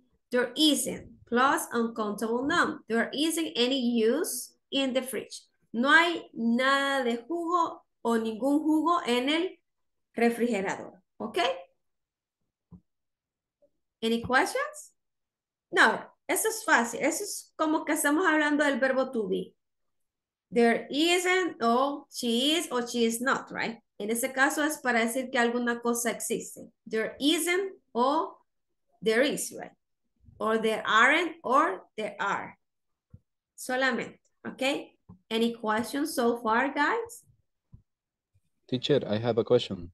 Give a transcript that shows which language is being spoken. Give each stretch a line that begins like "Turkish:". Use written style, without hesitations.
English: There isn't plus uncountable noun. There isn't any use in the fridge.
Spanish: No hay nada de jugo o ningún jugo en el refrigerador, ¿ok?
English: Any questions?
Spanish: No, eso es fácil. Eso es como que estamos hablando del verbo to be.
English: There isn't, she is, or she is not, right?
Spanish: En ese caso es para decir que alguna cosa existe.
English: There isn't, there is, right? Or there aren't, or there are.
Spanish: Solamente,
English: ¿ok? Any questions so far, guys? Teacher, I have a question.